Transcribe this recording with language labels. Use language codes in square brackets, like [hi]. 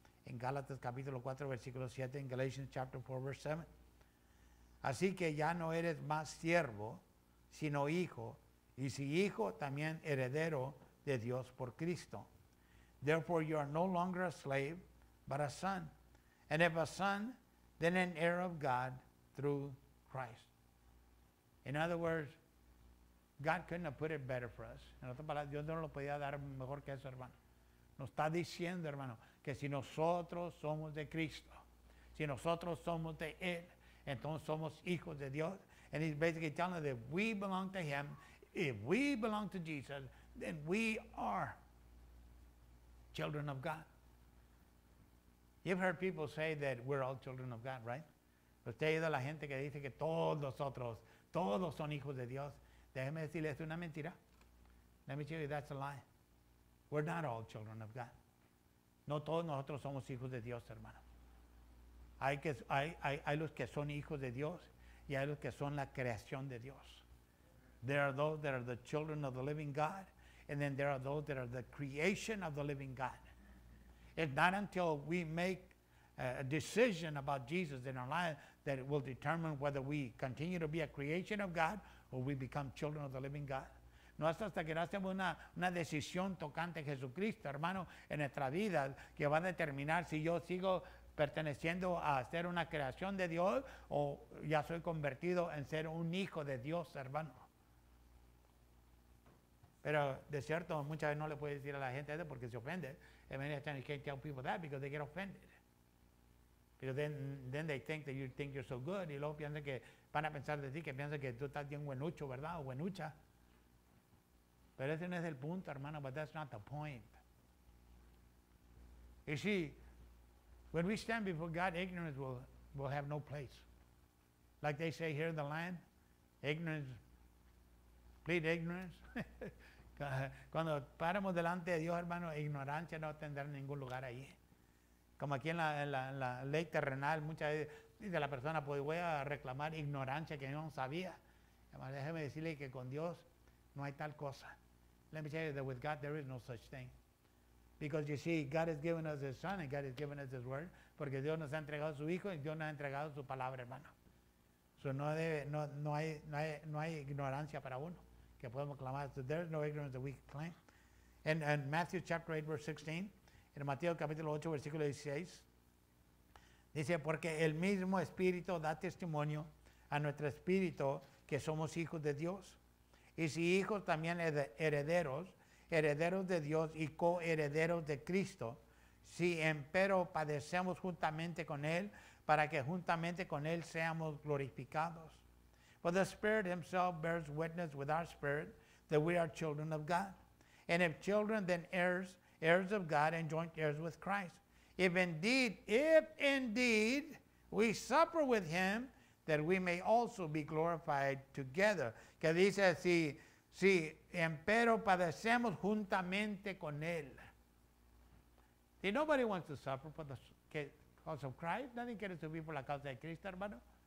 [es] en Gálatas capítulo 4 versículo 7, en [en] Galatians chapter 4 verse 7. [es] Así que ya no eres más siervo, sino hijo, y si hijo, también heredero de Dios por Cristo. [en] Therefore you are no longer a slave, but a son. And if a son, then an heir of God through Christ. In other words, God couldn't have put it better for us. [es] En otras palabras, Dios no lo podía dar mejor que eso, hermano. Nos está diciendo, hermano, que si nosotros somos de Cristo, si nosotros somos de Él, entonces somos hijos de Dios. [en] And he's basically telling us that if we belong to Him, if we belong to Jesus, then we are children of God. You've heard people say that we're all children of God, right? [es] Usted ha oído a la gente que dice que todos nosotros, todos son hijos de Dios. Déjeme decirle, es una mentira. [en] Let me tell you, that's a lie. We're not all children of God. [es] No todos nosotros somos hijos de Dios, hermano. Hay los que son hijos de Dios y hay los que son la creación de Dios. [en] There are those that are the children of the living God, and then there are those that are the creation of the living God. It's not until we make a decision about Jesus in our life that it will determine whether we continue to be a creation of God or we become children of the living God. [es] No es hasta que hacemos una decisión tocante a Jesucristo, hermano, en nuestra vida, que va a determinar si yo sigo perteneciendo a ser una creación de Dios o ya soy convertido en ser un hijo de Dios, hermano. Pero de cierto, muchas veces no le puedes decir a la gente eso porque se ofende. [en] And many times you can't tell people that because they get offended. Because then they think that you think you're so good. [es] Y luego piensan que van a pensar de ti, que piensan que tú estás bien buenucho, ¿verdad? O buenucha. Pero ese no es el punto, hermano. [en] But that's not the point. You see, when we stand before God, ignorance will have no place. Like they say here in the land, ignorance, plead ignorance. [es] Cuando paramos delante de Dios, hermano, ignorancia no tendrá ningún lugar ahí. Como aquí en la ley terrenal, muchas veces de la persona, pues voy a reclamar ignorancia que no sabía. Además, déjeme decirle que con Dios no hay tal cosa. [en] Let me tell you that with God there is no such thing. Because you see, God has given us His Son and God has given us His Word. [es] Porque Dios nos ha entregado su Hijo y Dios nos ha entregado su palabra, hermano. So no hay ignorancia para uno que podemos clamar. [en] So there is no ignorance that we can claim. And Matthew chapter 8, verse 16. [es] En Mateo capítulo 8, versículo 16. Dice, porque el mismo Espíritu da testimonio a nuestro espíritu que somos hijos de Dios. Y si hijos, también herederos de Dios y coherederos de Cristo, si empero padecemos juntamente con Él, para que juntamente con Él seamos glorificados. [en] For the Spirit Himself bears witness with our spirit that we are children of God. And if children, then heirs of God and joint heirs with Christ. If indeed we suffer with Him, that we may also be glorified together. [es] Que dice, si empero padecemos juntamente con Él. [en] See, nobody wants to suffer for the cause of Christ. [es] Nadie quiere sufrir por la causa de Cristo, hermano.